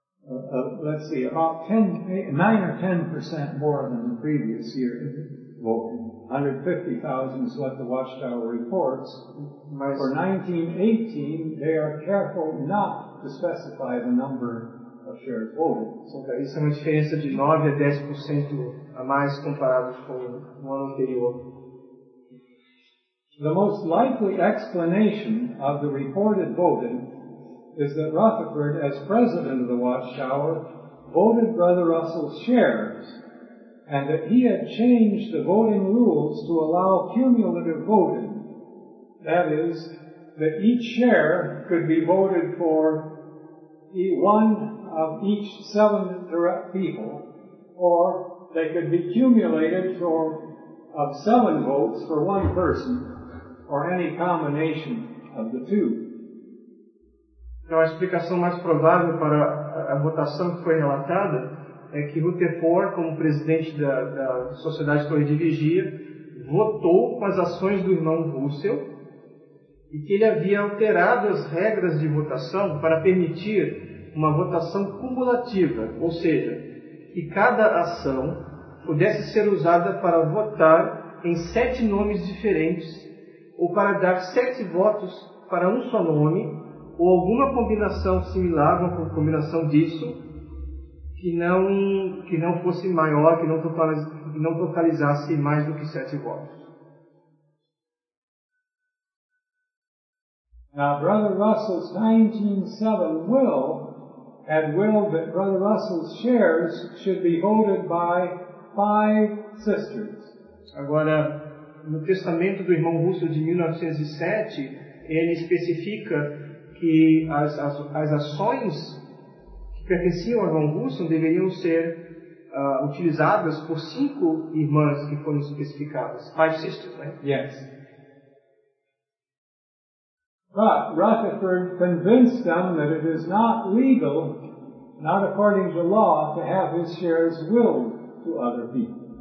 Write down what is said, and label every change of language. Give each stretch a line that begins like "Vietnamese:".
English: Let's see, about 9 or 10% more than the previous year. Well, 150,000 is what the Watchtower reports.
Portuguese: Mas,
English: for 1918, they are careful not to specify the number of shares voted.
Portuguese: So, okay, isso é uma diferença de 9 a 10% a mais comparados com o ano anterior.
English: The most likely explanation of the reported voting is that Rutherford, as president of the Watchtower, voted Brother Russell's shares, and that he had changed the voting rules to allow cumulative voting. That is, that each share could be voted for one of each 7 direct people, or they could be accumulated for of 7 votes for one person, or any combination of the two.
Portuguese: Então, a explicação mais provável para a votação que foi relatada é que Rutherford, como presidente da Sociedade Torre de Vigia, votou com as ações do irmão Russell e que ele havia alterado as regras de votação para permitir uma votação cumulativa, ou seja, que cada ação pudesse ser usada para votar em 7 nomes diferentes ou para dar 7 votos para um só nome ou alguma combinação similar, uma combinação disso, que não fosse maior, que não totalizasse mais do que 7 votos.
English: Now, Brother Russell's 1907 will had willed that Brother Russell's shares should be voted by 5 sisters.
Portuguese: Agora, no testamento do irmão Russo de 1907, ele especifica que as ações que pertenciam ao irmão Russo deveriam ser utilizadas por 5 irmãs que foram especificadas.
English: 5 sisters,
Portuguese: né?
English: Yes. But Rutherford convinced them that it is not legal, not according to law, to have his shares willed to other people.